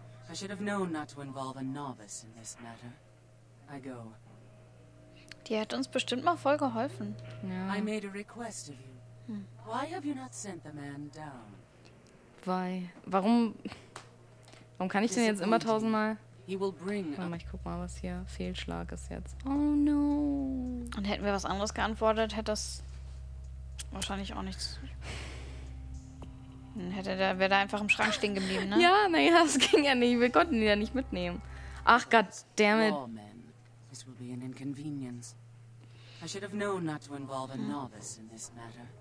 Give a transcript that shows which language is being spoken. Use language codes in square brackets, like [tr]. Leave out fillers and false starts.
[en] I should have known not to involve a novice in this matter. I go. [de] Die hat uns bestimmt mal voll geholfen. Ja. [en] I made a request of you. Why have you not sent the man down? [de] Weil, warum kann ich denn jetzt immer tausendmal... Warte mal, ich guck mal, was hier Fehlschlag ist jetzt. [en] Oh no. [de] Und hätten wir was anderes geantwortet, hätte das wahrscheinlich auch nichts... Dann wäre da einfach im Schrank stehen geblieben, ne? Ja, naja, das ging ja nicht. Wir konnten ihn ja nicht mitnehmen. [en] Ach, goddammit. This will be an inconvenience. I should have known not to involve a novice in this matter.